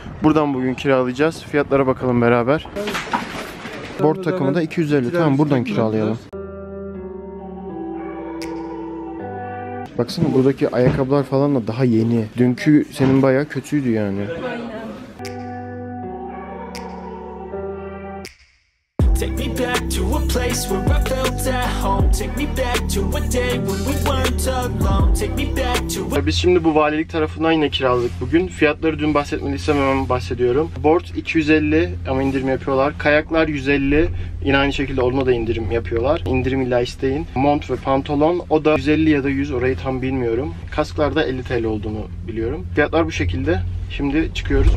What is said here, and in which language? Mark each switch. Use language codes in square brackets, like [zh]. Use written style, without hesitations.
[tr] Buradan bugün kiralayacağız. Fiyatlara bakalım beraber. Board takımı da 250. Tamam, buradan kiralayalım. Baksana buradaki ayakkabılar falan da daha yeni. Dünkü senin bayağı kötüydü yani. [en] Take me back to a place where I felt at home. Take me back to a day when we weren't alone. Take me back to a... [tr] Biz şimdi bu valilik tarafından yine kiraladık bugün. Fiyatları dün bahsetmediysem hemen bahsediyorum. Board 250 ama indirim yapıyorlar. Kayaklar 150. Yine aynı şekilde onunla da indirim yapıyorlar. İndirim illa isteyin. Mont ve pantolon o da 150 ya da 100, orayı tam bilmiyorum. Kasklar da 50 TL olduğunu biliyorum. Fiyatlar bu şekilde. Şimdi çıkıyoruz.